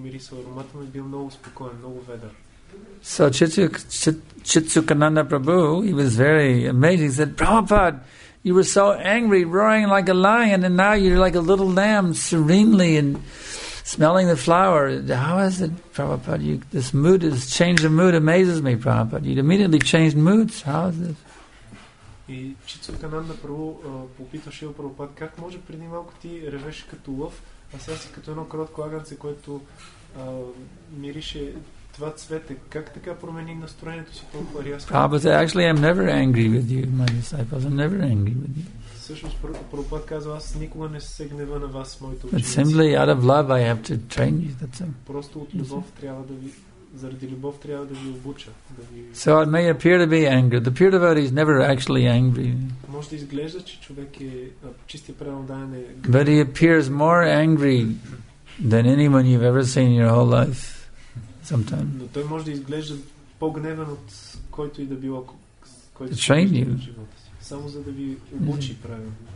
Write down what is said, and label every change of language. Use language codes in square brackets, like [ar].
[en] So Chitsukananda Prabhu, he was very amazed. He said, "Prabhupada, you were so angry, roaring like a lion, and now you're like a little lamb, serenely and smelling the flower. How is it, Prabhupada? This mood has changed. The mood amazes me, Prabhupada. You immediately changed moods. How is this?" [bg] И Чицукананда Прабху попита Шрила Прабхупада, как може преди малко ти ревеше като лъв, а сега си като едно кротко агънце, което мирише това цвете. Как така промени настроението си толкова рязко? [en] Prabhupada, actually I'm never angry with you, my disciples. I'm never angry with you. [bg] Всъщност Прабхупад казва, аз никога не се гнева на вас, моите ученици. [en] But simply out of love I have to train you. That's it. [bg] Просто от любов трябва да ви... Заради любов трябва да ви обуча. [en] So it may appear to be anger. The pure devotee is never actually angry. [bg] Може да изглежда, че човек е чистия преданен. [en] But he appears more angry than anyone you've ever seen in your whole life. Sometimes. [bg] Но той може да изглежда по-гневен от който и да било, който е в живота си. Само за да ви обучи правилно.